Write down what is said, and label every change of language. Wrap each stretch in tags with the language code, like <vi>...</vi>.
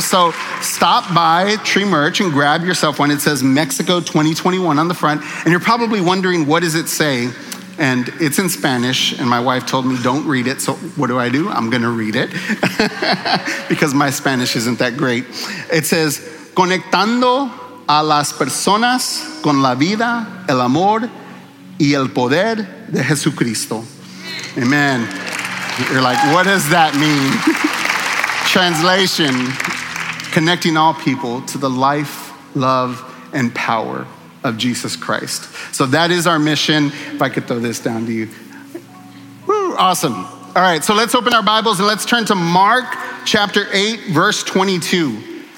<en>So stop by Tree Merch and grab yourself one. It says Mexico 2021 on the front. And you're probably wondering, what does it say? And it's in Spanish, and my wife told me, don't read it. So what do? I'm going to read it because my Spanish isn't that great.</en> <es>It says, conectando a las personas con la vida, el amor y el poder de Jesucristo.</es> <en>Amen. You're like, what does that mean? Translation, connecting all people to the life, love, and power of Jesus Christ. So that is our mission. If I could throw this down to you. Woo, awesome. All right, so let's open our Bibles and let's turn to Mark chapter 8, verse 22.</en>